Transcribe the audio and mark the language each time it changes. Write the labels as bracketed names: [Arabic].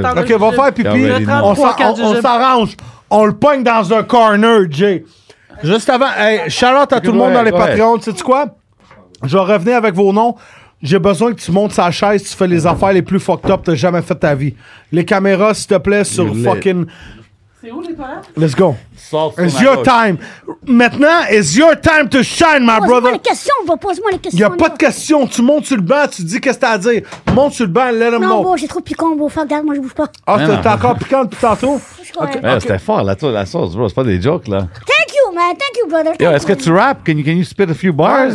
[French] OK, va faire pipi. On s'arrange. On le pogne dans un corner, Jay. Juste avant, hey, shout-out à tout le monde dans les Patreons. Tu sais-tu quoi? Je vais revenir avec vos noms. J'ai besoin que tu montes sa chaise, tu fais les affaires les plus fucked up que t'as jamais fait ta vie. Les caméras, s'il te plaît, sur fucking... C'est où les toilettes? [English] Let's go. It's your time. Maintenant, it's your time to shine, my brother. [French] Pose-moi les questions, va, pose-moi les questions. Il n'y a pas de questions. Tu montes sur le banc, tu dis qu'est-ce que t'as à dire. Monte sur le banc, [English] let him know. [French] Non, bon, j'ai trop piquant, bon, fuck, regarde, moi, je bouge pas. Ah, t'es encore piquant depuis tantôt? Okay. Ouais, c'était fort, là, toi, la sauce, bro. C'est pas des jokes, là. [English] Thank you, man. Thank you, brother. Yo, [French] est-ce que tu rappes? [English] Can you spit a few bars?